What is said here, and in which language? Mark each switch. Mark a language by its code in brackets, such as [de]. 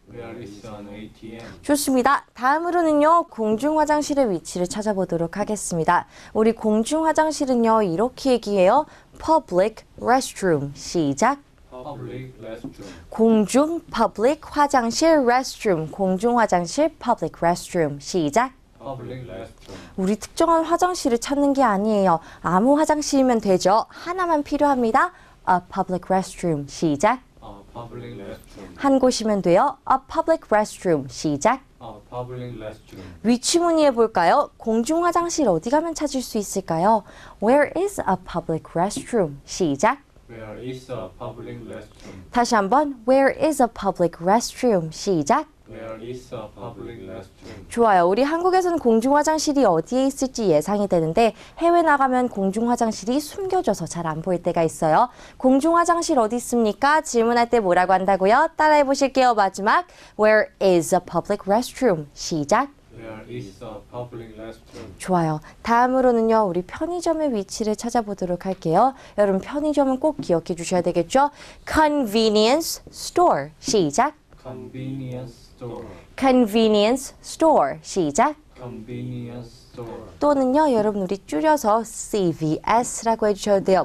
[en] Where is an ATM? [ko] 좋습니다. 다음으로는요, 공중화장실의 위치를 찾아보도록 하겠습니다. 우리 공중화장실은요, 이렇게 얘기해요. [en] Public restroom. 시작. Public restroom. [ko] 공중, public, 화장실, restroom. [en] 공중화장실, public restroom. [ko] 시작. [en] Public restroom. [ko] 우리 특정한 화장실을 찾는 게 아니에요. 아무 화장실이면 되죠. 하나만 필요합니다. [en] A public restroom. [ko] 시작. [en] Public restroom. [ko] 한 곳이면 돼요. [en] A public restroom. [ko] 시작. [en] A public restroom. [ko] 위치 문의해 볼까요? 공중 화장실 어디 가면 찾을 수 있을까요? [en] Where is a public restroom? [ko] 시작. [en] Where is a public restroom? [ko] 다시 한번. [en] Where is a public restroom? [ko] 시작. [en] Where is a public restroom? [ko] 좋아요. 우리 한국에서는 공중 화장실이 어디에 있을지 예상이 되는데 해외 나가면 공중 화장실이 숨겨져서 잘 안 보일 때가 있어요. 공중 화장실 어디 있습니까? 질문할 때 뭐라고 한다고요? 따라해 보실게요. 마지막. [en] Where is a public restroom? [ko] 시작. [en] Where is a public restroom? [ko] 좋아요. 다음으로는요, 우리 편의점의 위치를 찾아보도록 할게요. 여러분, 편의점은 꼭 기억해 주셔야 되겠죠? [en] Convenience store. 시작. Convenience store. Convenience store. 시작. Convenience store. [ko] 또는요, 여러분, 우리 줄여서 CVS라고 해주셔도 돼요.